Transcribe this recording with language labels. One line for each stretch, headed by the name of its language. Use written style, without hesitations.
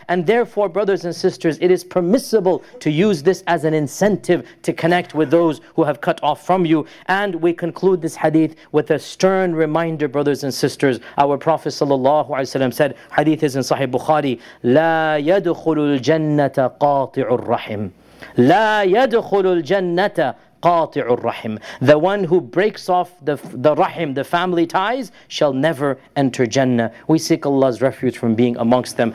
English: And therefore, brothers and sisters, it is permissible to use this as an incentive to connect with those who have cut off from you. And we conclude this hadith with a stern reminder, brothers and sisters. Our Prophet sallallahu alaihi wasallam said, hadith is in Sahih Bukhari,
Arabic: لا يدخل الجنة قاطع الرحم. لا يدخل الجنة قاطع الرحم.
English: The one who breaks off the rahim, the family ties, shall never enter Jannah. We seek Allah's refuge from being amongst them.